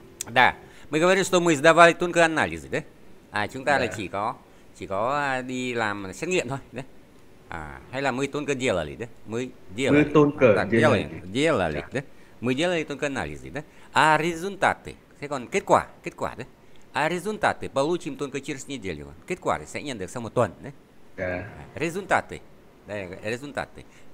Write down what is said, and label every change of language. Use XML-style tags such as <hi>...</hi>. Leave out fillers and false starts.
<ru>Да, мы говорим, что мы сдавали только анализы, да?</ru> <vi>А chúng ta là chỉ có đi làm xét nghiệm thôi, đấy. À, hay là</vi> <ru>мы только делали, да? Мы Мы делали, только так делали. делали, да? Мы делали только анализы, да? А результаты,</ru> <vi>thế còn kết quả, да?</vi> <ru>А результаты получим только через неделю.</ru> <vi>Kết quả thì sẽ nhận được sau một tuần, đấy. Результаты. Đây là результаты.</vi>